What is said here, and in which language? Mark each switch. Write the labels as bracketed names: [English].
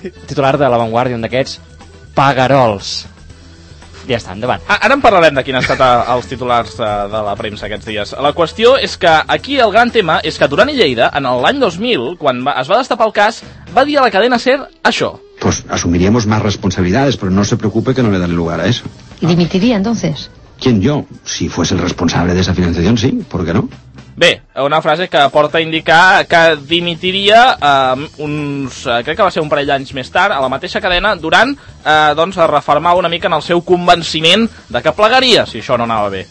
[Catalan] Titular de La Vanguardia, un d'aquests. Pagarols. Ja està, endavant. Ara en parlarem de quin han estat els titulars de la premsa aquests dies. La qüestió és que aquí el gran tema és que Duran i Lleida, en l'any 2000, quan es va destapar el cas, va dir a la cadena SER això. [Spanish] Pues asumiríamos más responsabilidades, pero no se preocupe que no le daré lugar a eso. ¿Y dimitiría entonces? ¿Quién yo? Si fuese el responsable de esa financiación, sí, ¿por qué no? [Catalan] Bé, una frase que porta a indicar que dimitiria uns... crec que va ser un parell d'anys més tard, a la mateixa cadena, durant doncs es reformava una mica en el seu convenciment de que plegaria, si això no anava bé.